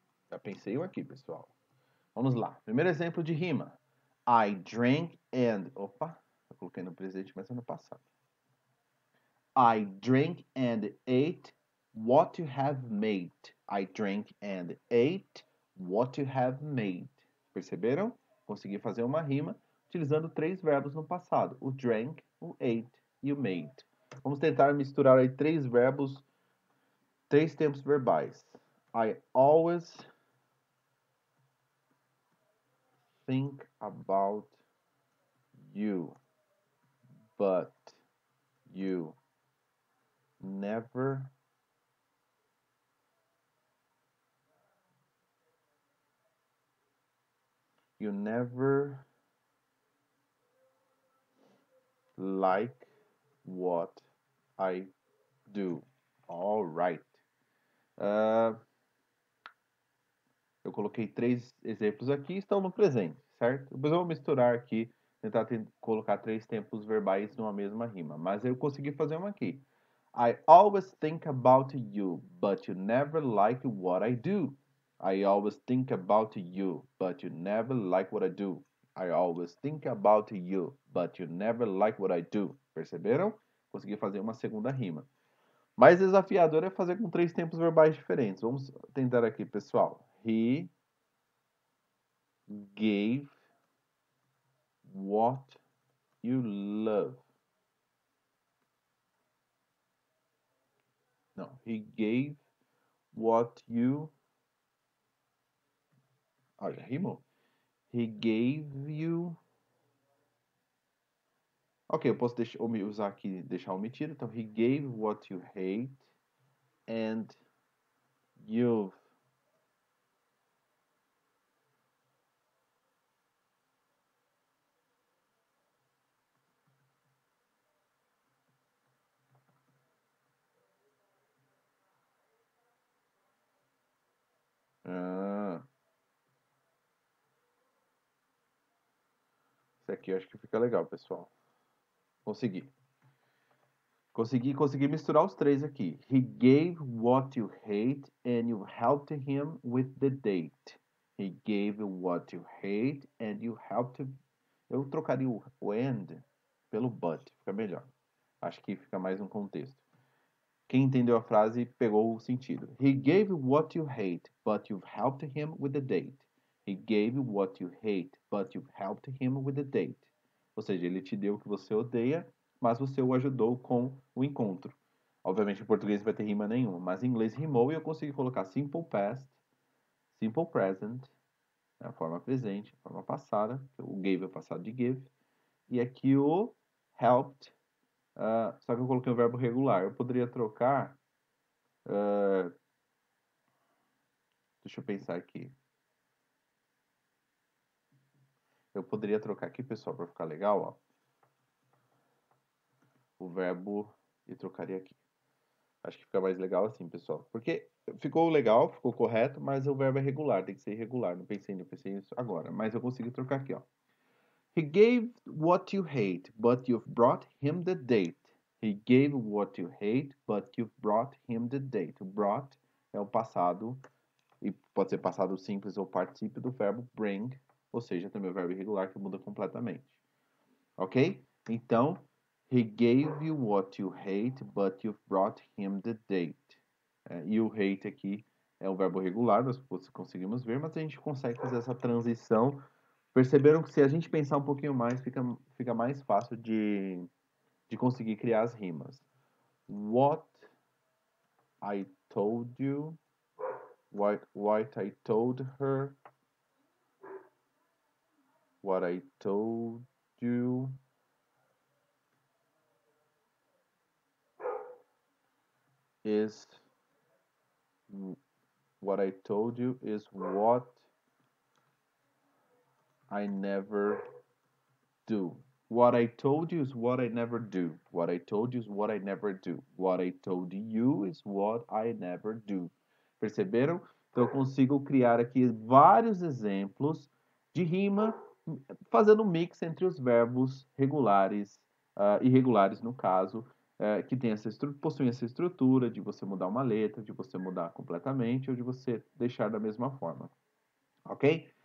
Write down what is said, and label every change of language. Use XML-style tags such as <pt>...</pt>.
<pt>Já pensei eu aqui, pessoal. Vamos lá. Primeiro exemplo de rima.</pt> <en>I drank and.</en> <pt>Opa, eu coloquei no presente, mas é no passado.</pt> <en>I drank and ate what you have made. I drank and ate what you have made.</en> <pt>Perceberam? Consegui fazer uma rima utilizando três verbos no passado: o drank, o ate e o made. Vamos tentar misturar aí três verbos, três tempos verbais.</pt> <en>I always think about you, but you never like what I do. All right.</en> <pt>Eu coloquei três exemplos aqui, estão no presente, certo? Depois eu vou misturar aqui, tentar colocar três tempos verbais numa mesma rima. Mas eu consegui fazer uma aqui.</pt> <en>I always think about you, but you never like what I do. I always think about you, but you never like what I do. I always think about you, but you never like what I do.</en> <pt>Perceberam? Consegui fazer uma segunda rima. Mais desafiador é fazer com três tempos verbais diferentes. Vamos tentar aqui, pessoal.</pt> <en>He gave what you love. No, he gave what you.</en> <pt>Olha, rimou.</pt> <en>He gave you.</en> <pt>Ok, eu posso deixar, usar aqui, deixar omitido.</pt> <en>Então, he gave what you hate and you've.</en> <pt>Aqui, acho que fica legal, pessoal. Consegui. Consegui misturar os três aqui.</pt> <en>He gave what you hate and you helped him with the date. He gave what you hate and you helped.</en> <pt>Eu trocaria o and pelo but. Fica melhor. Acho que fica mais um contexto. Quem entendeu a frase pegou o sentido.</pt> <en>He gave what you hate, but you've helped him with the date. He gave what you hate, but you helped him with the date.</en> <pt>Ou seja, ele te deu o que você odeia, mas você o ajudou com o encontro. Obviamente, em português não vai ter rima nenhuma, mas em inglês rimou e eu consegui colocar simple past, simple present, a forma presente, a forma passada, o gave é o passado de give, e aqui o helped, só que eu coloquei o um verbo regular. Eu poderia trocar. Deixa eu pensar aqui. Eu poderia trocar aqui, pessoal, para ficar legal, ó. O verbo e trocaria aqui. Acho que fica mais legal assim, pessoal. Porque ficou legal, ficou correto, mas o verbo é regular, tem que ser irregular. Não pensei nisso agora, mas eu consigo trocar aqui, ó.</pt> <en>He gave what you hate, but you've brought him the date. He gave what you hate, but you've brought him the date.</en> <pt>O brought é o passado, e pode ser passado simples ou particípio do verbo bring. Ou seja, também o verbo irregular que muda completamente. Ok?</pt> <en>Então, he gave you what you hate, but you've brought him the date.</en> <pt>E o hate aqui é um verbo regular, nós conseguimos ver, mas a gente consegue fazer essa transição. Perceberam que se a gente pensar um pouquinho mais, fica mais fácil de conseguir criar as rimas.</pt> <en>What I told you, what I told her. What I told you. Is what I told you is what I never do. What I told you is what I never do. What I told you is what I never do. What I told you is what I never do.</en> <pt>Perceberam? Então eu consigo criar aqui vários exemplos de rima, fazendo um mix entre os verbos regulares, irregulares, no caso. Que tem essa possuem essa estrutura de você mudar uma letra, de você mudar completamente ou de você deixar da mesma forma. Ok?</pt>